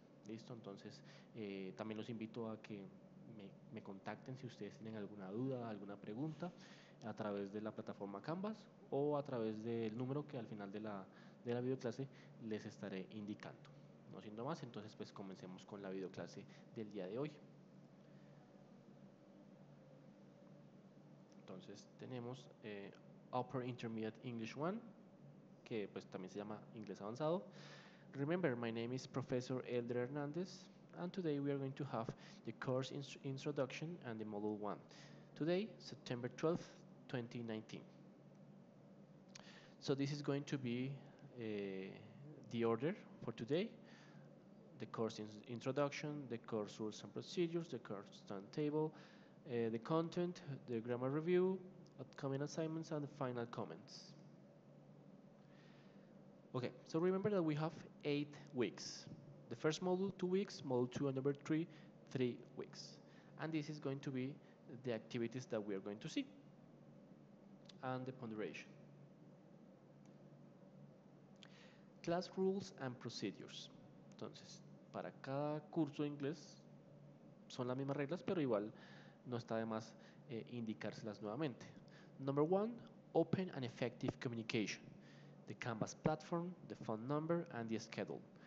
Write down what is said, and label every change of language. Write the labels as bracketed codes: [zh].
[es] Listo, entonces también los invito a que me contacten si ustedes tienen alguna duda, alguna pregunta a través de la plataforma Canvas o a través del número que al final de la videoclase les estaré indicando. No siendo más, entonces pues comencemos con la videoclase del día de hoy. Entonces tenemos Upper Intermediate English 1, que pues también se llama inglés avanzado. [en] Remember, my name is Professor Elder Hernandez, and today we are going to have the course introduction and the module 1. Today, September 12th, 2019. So this is going to be the order for today. The course introduction, the course rules and procedures, the course timetable, the content, the grammar review, upcoming assignments, and the final comments. Okay, so remember that we have 8 weeks. The first module, 2 weeks, module 2 and number 3, 3 weeks. And this is going to be the activities that we are going to see and the ponderation. Class rules and procedures. [es] Entonces, para cada curso de inglés son las mismas reglas, pero igual no está de más indicárselas nuevamente. [en] Number 1, open and effective communication. The Canvas platform, the phone number, and the schedule.